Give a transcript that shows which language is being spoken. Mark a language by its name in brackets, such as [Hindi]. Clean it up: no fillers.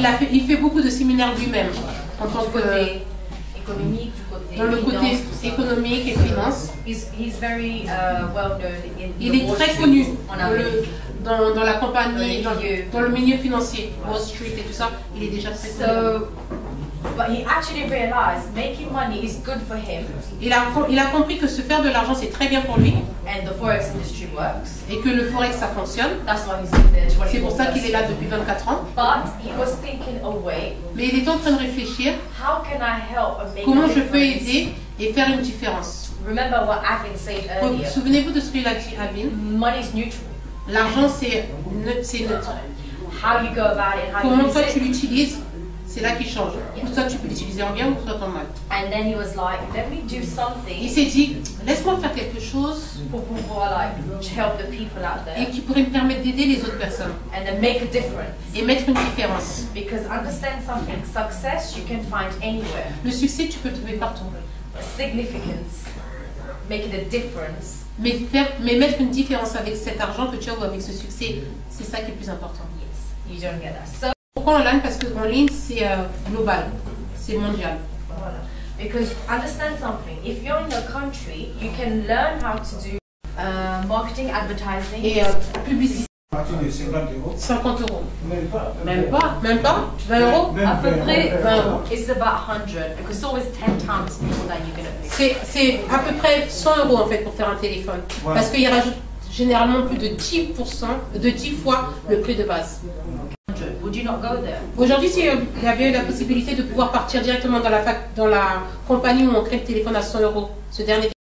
[French] Il fait beaucoup de séminaires lui-même en tant que économique, du côté dans le côté économique et finance. [English] He's very well known in [French] il est très connu dans la compagnie, dans le milieu financier, Wall Street et tout ça. Il est déjà très connu. [English] But he actually realized making money is good for him. [French] Il a compris que se faire de l'argent c'est très bien pour lui. [English] And the forex industry works. [French] Et que le forex ça fonctionne. [English] That's why he's there 24. [French] C'est pour ça qu'il est là depuis 24 ans. [English] But he was thinking away. [French] Mais il est en train de réfléchir. [English] How can I help and make [French] comment [English] a difference? [French] Je peux aider et faire une différence. [English] Remember what Avin said earlier. [French] Souvenez-vous de ce qu'il a dit, Avin. [English] Money is neutral. [French] L'argent c'est neutre. [English] How you go about it, how [French] comment [English] you [French] toi tu l'utilises, c'est là qu'il change. Yeah. Ou soit tu peux l'utiliser en bien ou soit en mal. [English] And then he was like, let me do something. [French] Il s'est dit, laisse-moi faire quelque chose pour pouvoir [English] help the people out there. [French] Et qui pourrait me permettre d'aider les autres personnes. [English] And then make a difference. [French] Et mettre une différence. [English] Because understand something, success you can find anywhere. [French] Le succès tu peux trouver partout. [English] Significance, making a difference. [French] Mais mettre une différence avec cet argent que tu as ou avec ce succès, c'est ça qui est plus important. [English] Yes, you don't get that. So, [French] pourquoi en ligne? Parce qu'en ligne, c'est global, c'est mondial. Voilà. [English] Because understand something, if you're in a country, you can learn how to do marketing, advertising, [French] et publicité. 50 euros. Même pas. 20 euros. À peu près 20 euros. [English] It's about 100, because it's always 10 times more than you're gonna pay. [French] C'est à peu près 100 euros en fait pour faire un téléphone. Voilà. Parce qu'il rajoute généralement plus de 10%, de 10 fois le prix de base. [English] Would you not go there? [French] Aujourd'hui, si il y avait eu la possibilité de pouvoir partir directement dans la compagnie où on crée le téléphone à 100 euros, ce dernier.